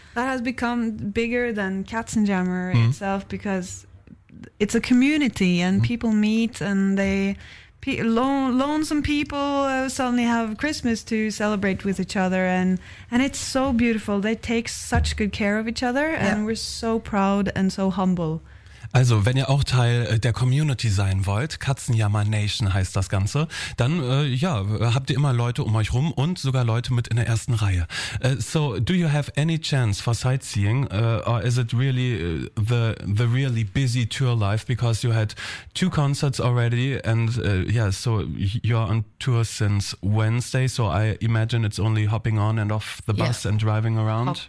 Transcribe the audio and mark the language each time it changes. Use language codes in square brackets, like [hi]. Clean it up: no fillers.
[en] That has become bigger than Katzenjammer itself because it's a community and people meet and they lonesome people suddenly have Christmas to celebrate with each other. And it's so beautiful. They take such good care of each other and we're so proud and so humble. [de] Also, wenn ihr auch Teil der Community sein wollt, Katzenjammer Nation heißt das Ganze, dann habt ihr immer Leute um euch rum und sogar Leute mit in der ersten Reihe. [en] So, do you have any chance for sightseeing or is it really the really busy tour life because you had two concerts already and so you're on tour since Wednesday, so I imagine it's only hopping on and off the bus and driving around?